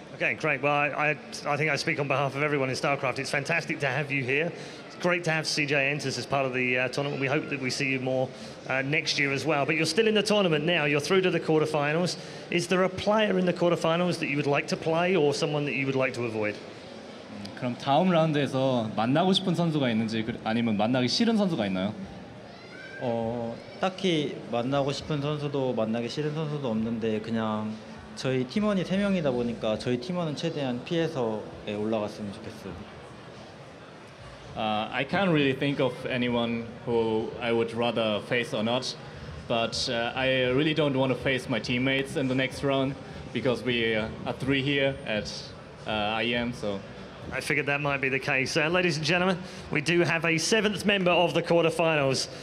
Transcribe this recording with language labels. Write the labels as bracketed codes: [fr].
[en] Okay, great. Well, I think I speak on behalf of everyone in StarCraft. It's fantastic to have you here. It's great to have CJ Entis as part of the tournament. We hope that we see you more next year as well. But you're still in the tournament now. You're through to the quarterfinals. Is there a player in the quarterfinals that you would like to play or someone that you would like to avoid? [ko] 그럼 다음 라운드에서 만나고 싶은 선수가 있는지 아니면 만나기 싫은 선수가 있나요? 딱히 만나고 싶은 선수도 만나기 싫은 선수도 없는데 그냥 저희 팀원이 세 명이다 보니까 저희 팀원은 최대한 피해서 올라갔으면 좋겠어요. [en] I can't really think of anyone who I would rather face or not, but I really don't want to face my teammates in the next round because we are three here at IEM, so. I figured that might be the case. Ladies and gentlemen, we do have a seventh member of the quarterfinals.